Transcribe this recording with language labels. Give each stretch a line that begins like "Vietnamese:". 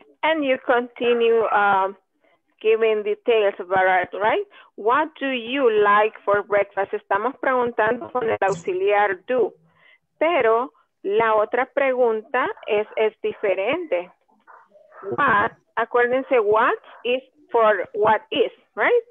English: and you continue giving details about it, right? What do you like for breakfast?
Spanish: Estamos preguntando con el auxiliar do, pero la otra pregunta es diferente.
English: What,
Spanish: acuérdense,
English: what is for what is, right?